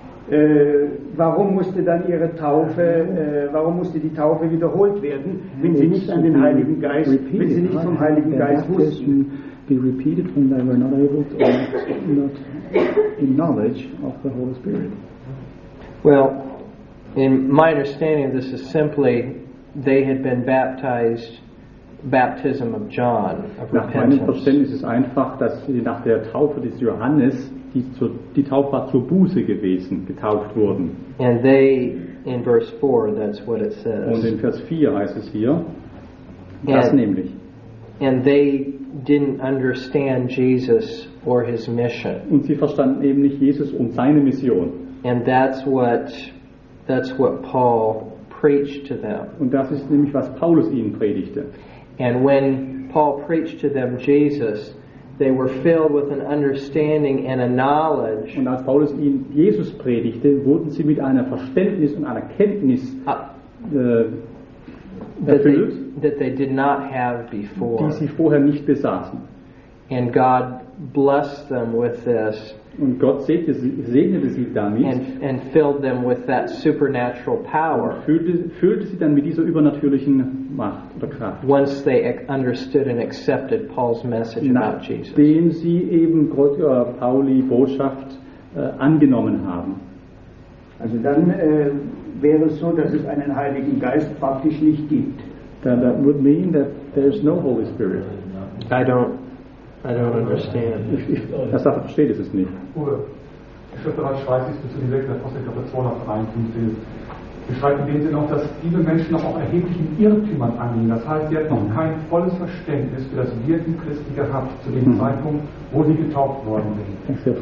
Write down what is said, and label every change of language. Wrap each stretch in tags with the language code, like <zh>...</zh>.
<de>warum musste dann ihre Taufe, warum musste die Taufe wiederholt werden, wenn sie nicht an den Heiligen Geist, wenn sie nicht vom Heiligen Geist wussten?</de> <en>Be repeated when they were not able to, or not in knowledge of the Holy Spirit. Well, in my understanding, this is simply they had been baptized, baptism of John, of</en> <de>nach</de> <en>repentance.</en> <de>Meinem Verständnis ist einfach, dass sie nach der Taufe des Johannes die Taufe war zur Buße gewesen, getauft wurden.</de> <en>And they, in verse 4, that's what it says.</en> <de>Und in Vers 4 heißt es hier, das nämlich.</de> <en>And they didn't understand Jesus or his mission.</en> <de>Und sie verstanden eben nicht Jesus und seine Mission.</de> <en>And that's what Paul preached to them.</en> <de>Und das ist nämlich, was Paulus ihnen predigte.</de> <en>And when Paul preached to them Jesus, they were filled with an understanding and a knowledge.</en> <de>Und als Paulus ihnen Jesus predigte, wurden sie mit einer Verständnis und einer Kenntnis</de> <en>that they did not have before.</en> <de>Die sie vorher nicht besaßen.</de> <en>And God blessed them with this.</en> <de>Und Gott segnete sie damit.</de> <en>And filled them with that supernatural power.</en> <de>Füllte sie dann mit dieser übernatürlichen Macht oder Kraft.</de> <en>Once they understood and accepted Paul's message about Jesus.</en> <de>Nachdem sie eben Pauli Botschaft angenommen haben. Also dann wäre es so, dass es einen Heiligen Geist praktisch nicht gibt.</de> <en>Then that would mean that there is no Holy Spirit. I don't understand.</en> <de>Das versteht es nicht. Uwe, ich würde daran schreiben, bis zu dem Weg der Postekapitän auf reinfinden. Wir schreiben denen noch, dass diese Menschen noch auf erheblichen Irrtümern angehen. Das heißt, sie hat noch kein volles Verständnis für das Wirken Christi gehabt zu dem Zeitpunkt, wo sie getauft worden sind.</de>